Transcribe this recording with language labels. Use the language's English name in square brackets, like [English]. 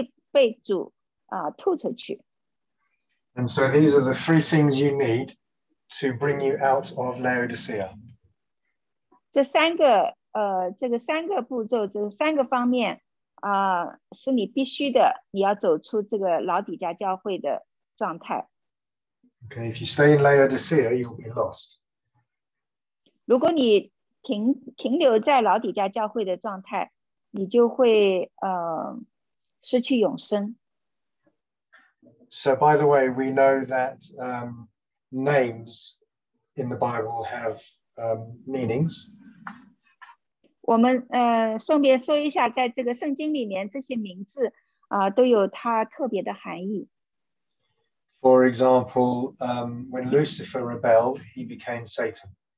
[Chinese] 如果你停留在老底嘉教会的这个状态，你会被主吐出去。 [English] And so these are the three things you need to bring you out of Laodicea. [Chinese] 这三个步骤，这三个方面。是你必须的, 你要走出这个老底嘉教会的状态。 [English] Okay, if you stay in Laodicea, you'll be lost. [Chinese] 如果你停留在老底嘉教会的状态, 你就会, 失去永生。 [English] So by the way, we know that names in the Bible have meanings. [Chinese] 我们顺便说一下，在这个圣经里面，这些名字都有它特别的含义。 [English] For example, when Lucifer rebelled, he became Satan.